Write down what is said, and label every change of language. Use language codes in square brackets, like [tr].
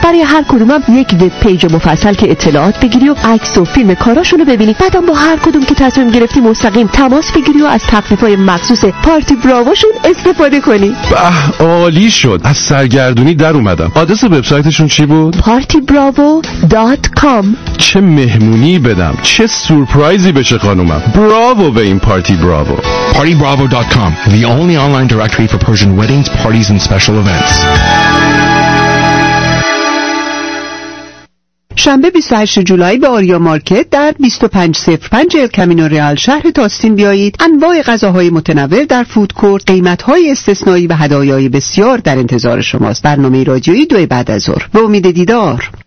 [fa] برای هر کدومم یک وب پیج مفصل که اطلاعات بگیری و عکس و فیلم کاراشون رو ببینی، بعدم با هر کدوم که تصمیم گرفتی مستقیم تماس بگیری و از تخفیف‌های مخصوص پارتی براواشون استفاده کنی. به عالی شد، از سرگردونی در اومدم. آدرس وبسایتشون چی بود؟ [en] partybravo.com. [fa] چه مهمونی بدم، چه سورپرایزی بشه خانومم. براوو به این پارتی براوو. [en] partybravo.com, the only online directory for Persian weddings, parties and special events. [fa] شنبه 28 جولای به آریا مارکت در 2505 الکامینو ریال شهر تاستین بیایید. انواع غذاهای متنوع در فود کورت، قیمت‌های استثنایی و هدایای بسیار در انتظار شماست. برنامه رادیویی 2 بعد از ظهر. به امید دیدار.